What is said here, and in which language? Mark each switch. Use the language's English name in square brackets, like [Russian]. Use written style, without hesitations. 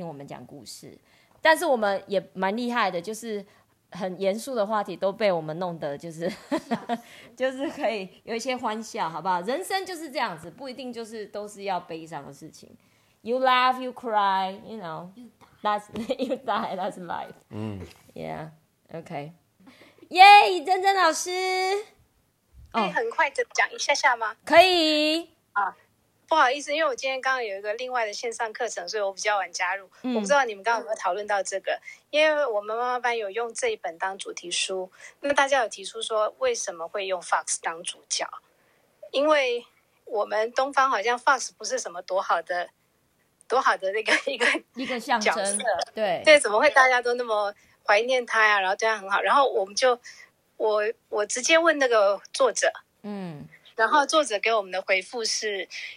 [Chinese] 一些主题啊，四棒一是我们在私讯聊，就是我们想要稍微穿插一下，因为小朋友三个礼拜吼，就是连续讲这个死亡的话题，他们什么为什么今天又是跟死有关系的？ 我们稍微来改变一下吼，所以谢谢这些老马帮，大家都还在这里，谢谢你们，就是我们三个礼拜都讲这么沉重的话题，你们都还是来听我们讲故事，但是我们也蛮厉害的，就是。很严肃的话题都被我们弄得就是可以有一些欢笑，好不好？人生就是这样子，不一定就是都是要悲伤的事情。 [English] You laugh, you cry, you know, that's you die, that's life. Yeah, okay. [Chinese] Yay, 珍珍老师，可以很快的讲一下下吗？可以。不好意思，因为我今天刚刚有一个另外的线上课程，所以我比较晚加入。我不知道你们刚刚有没有讨论到这个，因为我们妈妈班有用这一本当主题书，那大家有提出说为什么会用 Fox 当主角？因为我们东方好像 Fox 不是什么多好的那个一个角色，对，怎么会大家都那么怀念他呀？然后对他很好，然后我直接问那个作者，然后作者给我们的回复是。